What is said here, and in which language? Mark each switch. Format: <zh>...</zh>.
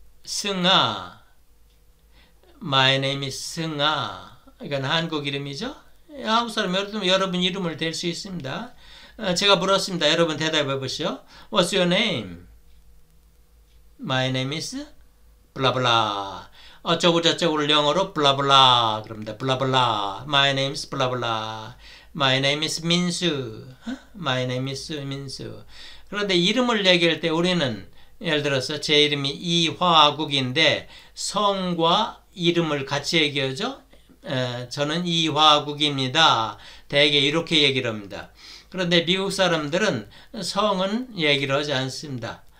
<en>승아, My name is 승아.</en> <ko>이건 한국 이름이죠? 한국 사람 여러분 이름을 댈수 있습니다. 제가 물었습니다. 여러분 대답해 보시죠.</ko> <en>What's your name? My name is 블라블라.</en> <ko>어쩌고저쩌고를 영어로 블라블라 그럽니다. 블라블라.</ko> <en>My name is 블라블라. My name is 민수. My name is 민수.</en> <ko>그런데 이름을 얘기할 때 우리는 예를 들어서 제 이름이 이화국인데 성과 이름을 같이 얘기하죠. 저는 이화국입니다. 대개 이렇게 얘기를 합니다. 그런데 미국 사람들은 성은 얘기를 하지 않습니다.</ko>